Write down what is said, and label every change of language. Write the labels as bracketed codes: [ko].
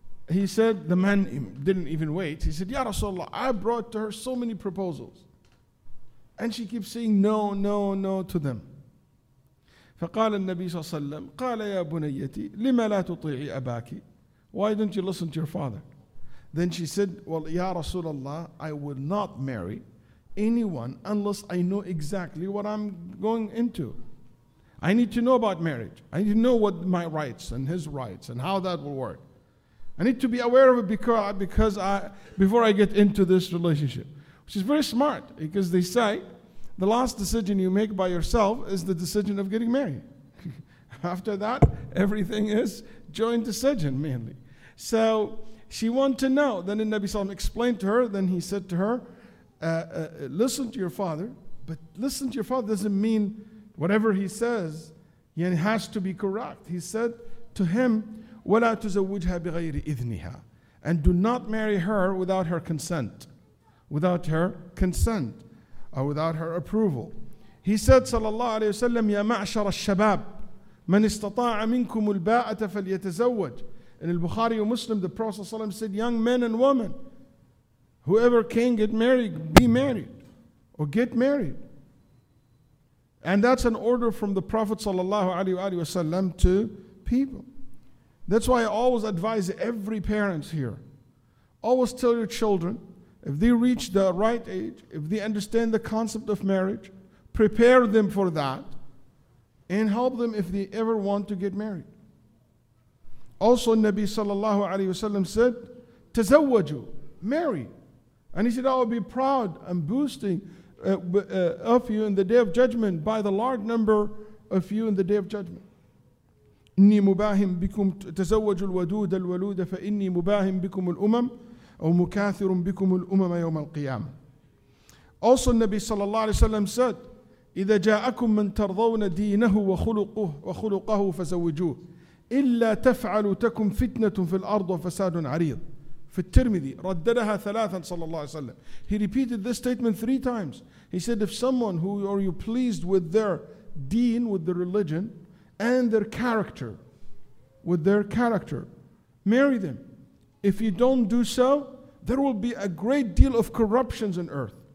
[en] He said, the man didn't even wait. He said, Ya Rasulallah, I brought to her so many proposals. And she keeps saying no, no, no to them. [ar] فقال النبي صلى الله عليه وسلم قال يا بنيتي لما لا تطيعي أباك. [en] Why don't you listen to your father? Then she said, well, يا رسول الله, I will not marry anyone unless I know exactly what I'm going into. I need to know about marriage. I need to know what my rights and his rights and how that will work. I need to be aware of it before I get into this relationship. Which is very smart, because they say the last decision you make by yourself is the decision of getting married. After that, everything is joint decision mainly. So she wanted to know. Then the Nabi Sallam explained to her. Then he said to her, listen to your father. But listen to your father doesn't mean whatever he says has to be correct. He said to him, [ar] وَلَا تُزَوُّجْهَا بِغَيْرِ إِذْنِهَا. [en] And do not marry her without her consent. Without her consent. Or without her approval. He said, [ar] sallallahu alayhi wa sallam, يَا مَعْشَرَ الشَّبَابِ مَنْ إِسْتَطَاعَ مِنْكُمُ الْبَاءَةَ فَلْيَتَزَوَّجْ. [en] In al-Bukhari and Muslim, the Prophet sallallahu alayhi wa sallam said, young men and women, whoever can get married, be married. Or get married. And that's an order from the Prophet sallallahu alayhi wa sallam to people. That's why I always advise every parent here, always tell your children, if they reach the right age, if they understand the concept of marriage, prepare them for that and help them if they ever want to get married. Also, Nabi sallallahu alayhi wa sallam said, تزوجوا, marry. And he said, I will be proud and boosting of you in the day of judgment by the large number of you in the day of judgment. [ar] إني مباهم بكم تزوجوا الودود الولود فإني مباهم بكم الأمم أو مكاثر بكم الأمم يوم القيامة. [en] Also [ar] النبي صلى الله عليه وسلم [en] said, [ar] إذا جاءكم من ترضون دينه وخلقه فزوجوه إلا تفعلوا تكم فتنة في الأرض وفساد عريض. في الترمذي رددها ثلاثا صلى الله عليه وسلم. [en] He repeated this statement 3 times. He said, if someone who are you pleased with their deen, with their religion, and their character, with their character, marry them. If you don't do so, there will be a great deal of corruptions in earth.